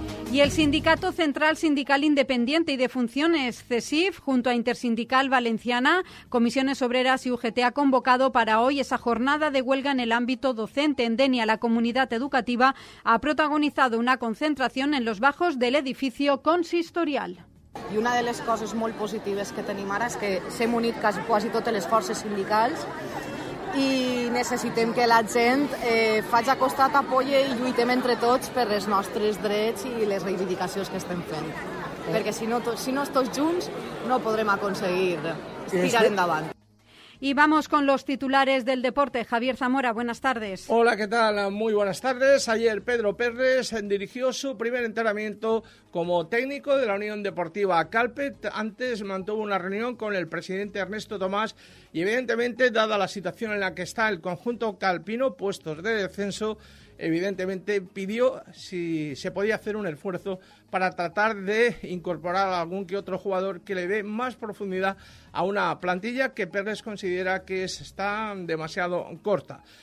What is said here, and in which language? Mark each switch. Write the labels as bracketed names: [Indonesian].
[Spanish] Y el Sindicato Central Sindical Independiente y de Funciones, CESIF, junto a Intersindical Valenciana, Comisiones Obreras y UGT, ha convocado para hoy esa jornada de huelga en el ámbito docente. En Denia, la comunidad educativa ha protagonizado una concentración en los bajos del edificio consistorial. [Catalan] I una de les coses molt positives que tenim ara és que s'hem unit quasi totes les forces sindicals i necessitem que la gent faci costat, [Spanish] apoye [Catalan] i lluitem entre tots per els nostres drets i les reivindicacions que estem fent. Perquè si no estem junts no podrem aconseguir tirar endavant. [Spanish] Y vamos con los titulares del deporte. Javier Zamora, buenas tardes. Hola, ¿qué tal? Muy buenas tardes. Ayer Pedro Pérez dirigió su primer entrenamiento como técnico de la Unión Deportiva Calpet. Antes mantuvo una reunión con el presidente Ernesto Tomás y evidentemente, dada la situación en la que está el conjunto calpino, puestos de descenso, evidentemente pidió si se podía hacer un esfuerzo para tratar de incorporar a algún que otro jugador que le dé más profundidad a una plantilla que Pérez considera que está demasiado corta.